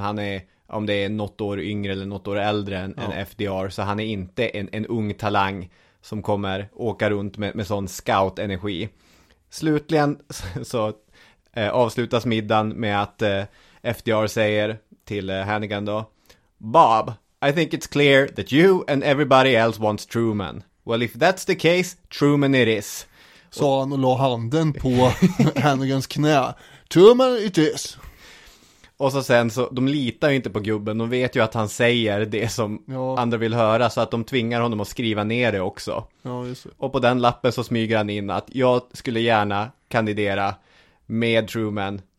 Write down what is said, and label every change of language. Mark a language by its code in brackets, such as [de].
[sv] Han är, om det är något år yngre eller något år äldre än FDR. Så han är inte en ung talang som kommer åka runt med sån scout-energi. Slutligen så avslutas middagen med att FDR säger till Hannigan då. [en] Bob, I think it's clear that you and everybody else wants Truman. Well, if that's the case, Truman it is. [sv] Sa han och la handen på Hannigans knä. [en] Truman it is. [sv] Och så sen så, de litar ju inte på gubben. De vet ju att han säger det som andra vill höra. Så att de tvingar honom att skriva ner det också. Ja, just. Och på den lappen så smyger han in att jag skulle gärna kandidera med Truman.